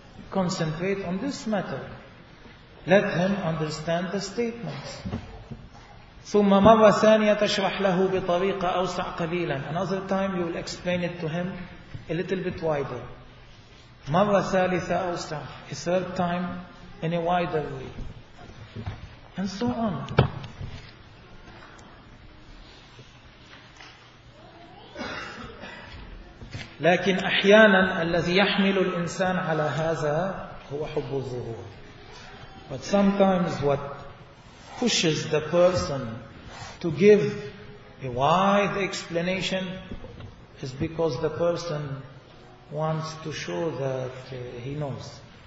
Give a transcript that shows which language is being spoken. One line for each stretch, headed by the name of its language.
English: Concentrate on this matter. Let him understand the statements.
Arabic: ثم مرة ثانية تشرح له بطريقة أوسع قليلا.
English: Another time you will explain it to him a little bit wider.
Arabic: مرة ثالثة أوسع.
English: A third time in a wider way, and so on.
Arabic: لكن أحيانا الذي يحمل الإنسان على هذا هو حب الظهور.
English: But sometimes what pushes the person to give a wide explanation is because the person wants to show that he knows.